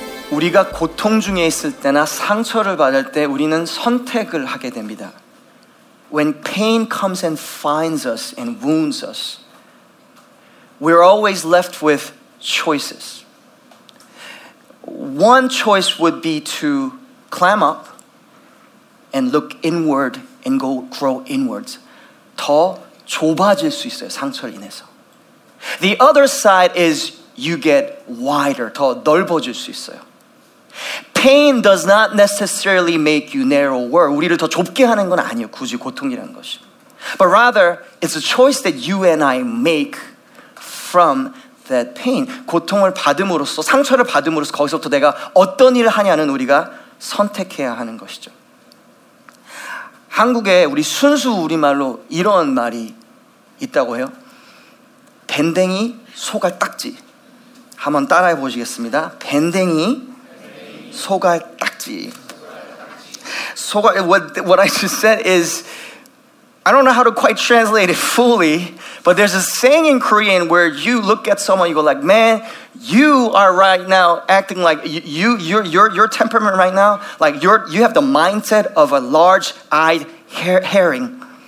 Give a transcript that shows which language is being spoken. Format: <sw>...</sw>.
<ko>우리가 고통 중에 있을 때나 상처를 받을 때 우리는 선택을 하게 됩니다.</ko> <en>When pain comes and finds us and wounds us, we're always left with choices. One choice would be to clam up and look inward and go grow inwards.</en> <ko>더 좁아질 수 있어요, 상처를 인해서.</ko> <en>The other side is you get wider,</en> <ko>더 넓어질 수 있어요.</ko> <en>Pain does not necessarily make you narrower.</en> <ko>우리를 더 좁게 하는 건 아니에요, 굳이 고통이라는 것이.</ko> <en>But rather, it's a choice that you and I make from that pain.</en> <ko>고통을 받음으로써, 상처를 받음으로써 거기서부터 내가 어떤 일을 하냐는 우리가 선택해야 하는 것이죠. 한국에 우리 순수 우리말로 이런 말이 있다고 해요. 밴댕이 소갈딱지. 한번 따라해 보시겠습니다. 밴댕이 소갈딱지.</ko> <en>소갈, what I just said is, I don't know how to quite translate it fully, but there's a saying in Korean where you look at someone, you go like, man, you are right now acting like, your temperament right now, like you have the mindset of a large-eyed herring.</en>